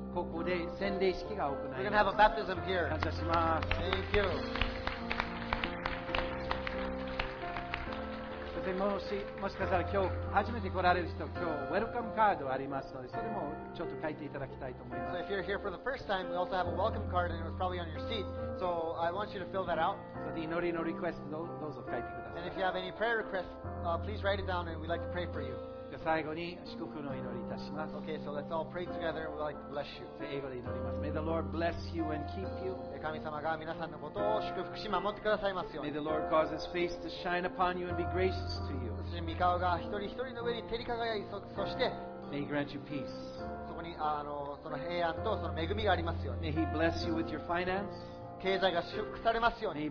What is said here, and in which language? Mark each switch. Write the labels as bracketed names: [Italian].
[Japanese] ここで洗礼式が行われます。 [English] We're going to have a baptism here. [Japanese] 感謝します。 [English] Thank you. [Japanese] それもし、もしかしたら今日初めて来られる人、今日ウェルカムカードありますので、それもちょっと書いていただきたいと思います。 [English] So if you're here for the first time, we also have a welcome card and it was probably on your seat. So I want you to fill that out. So the [Japanese] 祈りのリクエスト、どうぞ書いてください。 [English] And if you have any prayer requests, please write it down and we'd like to pray for you. [Japanese] じゃあ最後に祝福の祈りいたします。 [English] Okay, so let's all pray together. We'd like to bless you. [Japanese] じゃあ英語で祈ります。 [English] May the Lord bless you and keep you. [Japanese] 神様が皆さんのことを祝福し守ってくださいますように。 [English] May the Lord cause His face to shine upon you and be gracious to you. [Japanese] そして御顔が一人一人の上に照り輝い、そして [English] May He grant you peace. [Japanese] そこにその平安とその恵みがありますように。 [English] May He bless you with your finance. [Japanese] 経済が祝福されますように。